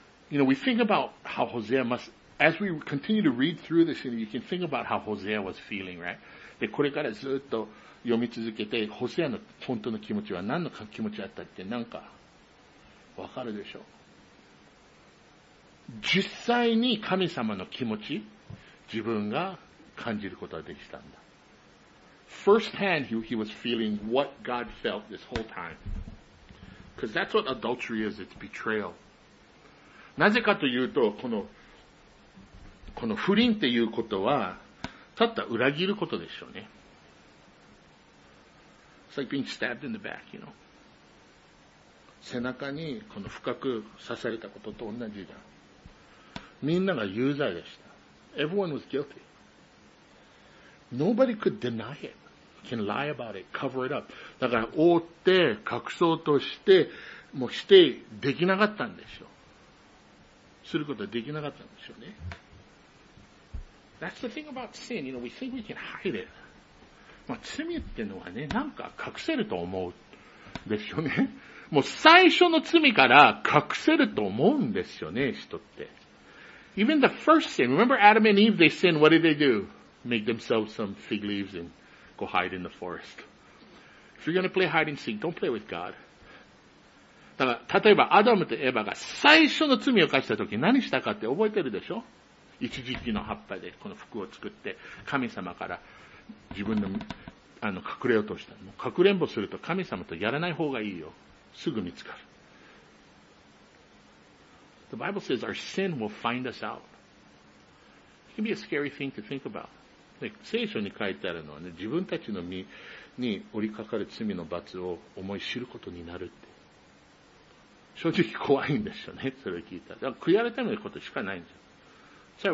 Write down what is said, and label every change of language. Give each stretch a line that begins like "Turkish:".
English: You know, we think about how Hosea must, as we continue to read through this, you can think about how Hosea was feeling, right?
Japanese: で、これからずっと読み続けて、Hosea の本当の気持ちは何の気持ちだったってなんか、わかるでしょう。実際に神様の気持ち、自分が感じることができたんだ。
English: Firsthand, he was feeling what God felt this whole time. Because that's what adultery is, it's betrayal.
Japanese: なぜかというと、この不倫っていうことは、たった裏切ることでしょうね。
English: It's like being stabbed in the back, you know.
Japanese: 背中にこの深く刺されたことと同じだ。みんなが有罪でした。
English: Everyone was guilty. Nobody could deny it. Can lie about it, cover it up.
Japanese: だから覆って隠そうとしてもしてできなかったんでしょう。することはできなかったんでしょうね。
English: That's the thing about sin. You know, we think we can hide it.
Japanese: まあ罪っていうのはね、なんか隠せると思うですよね。もう最初の罪から隠せると思うんですよね、人って。
English: Even the first sin. Remember Adam and Eve? They sinned. What did they do? Make themselves some fig leaves and. Go hide in the forest. If you're gonna play hide and seek, don't play with God.
Japanese: だから、例えば、アダムとエバが最初の罪を犯したとき何したかって覚えてるでしょ？一時期の葉っぱでこの服を作って、神様から自分の、隠れようとした。もう隠れんぼすると神様とやらない方がいいよ。すぐ見つかる。
English: The Bible says our sin will find us out. It can be a scary thing to think about.
Japanese: で聖書に書いてあるのはね、自分たちの身に降りかかる罪の罰を思い知ることになるって。正直怖いんですよね、それを聞いたら。だから悔やるためのことしかないんですよ。